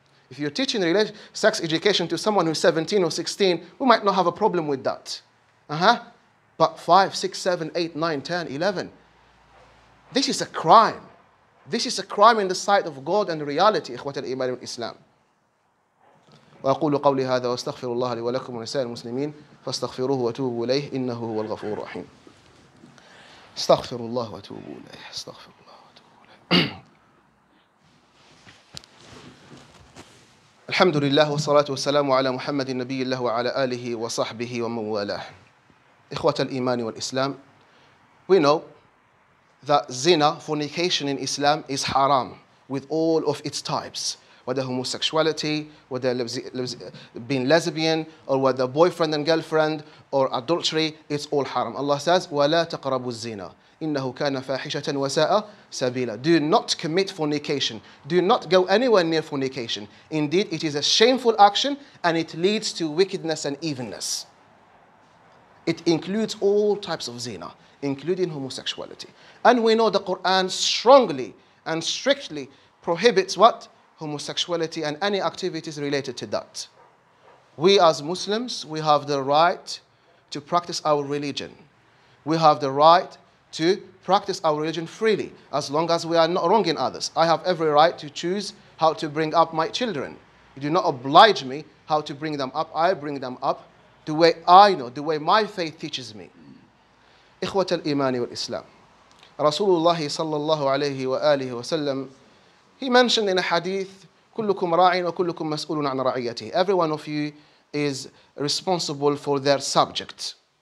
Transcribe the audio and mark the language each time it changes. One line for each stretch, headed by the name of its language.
English: If you're teaching sex education to someone who's 17 or 16, we might not have a problem with that. But 5, 6, 7, 8, 9, 10, 11. This is a crime. This is a crime in the sight of God and reality,
Arabic: إخوة الإيمان والإسلام. وأقول قولي هذا وأستغفر الله لي ولكم ولسائر المسلمين فاستغفروه وتوبوا إليه إنه هو الغفور الرحيم. استغفر الله وتوبوا إليه. استغفر الله وتوبوا إليه. الحمد لله والصلاة والسلام على محمد النبي الله وعلى آله وصحبه ومن والاه. إخوة الإيمان والإسلام,
English: we know that zina, fornication in Islam, is haram with all of its types. Whether homosexuality, whether being lesbian, or whether boyfriend and girlfriend, or adultery, it's all haram. Allah says,
Arabic: وَلَا تَقْرَبُوا الزِّنَا إِنَّهُ كَانَ فَاحِشَةً وَسَاءَ سَبِيلًا.
English: Do not commit fornication. Do not go anywhere near fornication. Indeed, it is a shameful action, and it leads to wickedness and evilness. It includes all types of zina, including homosexuality. And we know the Quran strongly and strictly prohibits what? homosexuality and any activities related to that. We as Muslims, we have the right to practice our religion. We have the right to practice our religion freely, as long as we are not wronging others. I have every right to choose how to bring up my children. You do not oblige me how to bring them up. I bring them up the way I know, the way my faith teaches me.
Arabic: إخوة الإيمان والإسلام. رسول الله صلى الله عليه وآله وسلم,
English: he mentioned in a hadith,
Arabic: كلكم راع وكلكم مسؤول عن رعيته.
English: Every one of you is responsible for their subject.